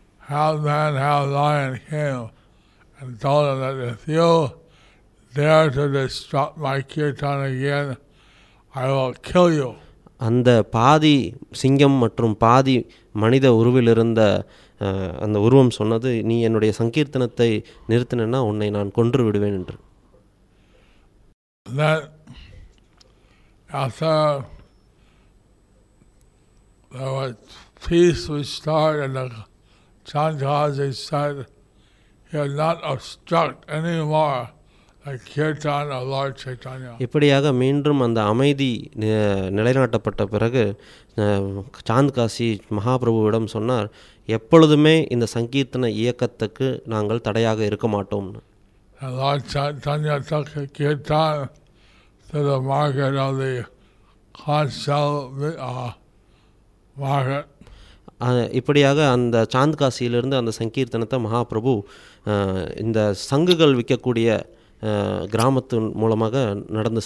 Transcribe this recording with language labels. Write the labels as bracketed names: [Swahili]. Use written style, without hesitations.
[Tamil] இருந்தன [English] and told him that if you dare to disrupt my kirtan again, I will kill you. [Tamil] அந்த பாதி சிங்கம் மற்றும் பாதி மனித உருவில் இருந்த அந்த உருவம் சொன்னது நீ என்னுடைய சங்கீர்த்தனத்தை நிறுத்தினா உன்னை நான் கொன்று விடுவேன் என்று [English] Then, after there was peace which started and the Chandrasi said, He will not obstruct anymore the kirtan of Lord Chaitanya. [Tamil] இப்படியாக மீண்டும் அந்த அமைதி நிலைநாட்டப்பட்ட பிறகு சாந்த்காசி மகாபிரபுவிடம் சொன்னார் எப்பொழுதுமே இந்த சங்கீர்த்தன இயக்கத்துக்கு நாங்கள் தடையாக இருக்க மாட்டோம்னு [English] Lord Chaitanya took the kirtan to the market of the market. [Tamil] இப்படியாக அந்த சாந்த்காசியிலிருந்து அந்த சங்கீர்த்தனத்தை மகாபிரபு இந்த சங்குகள் விற்கக்கூடிய கிராமத்தின் மூலமாக நடந்து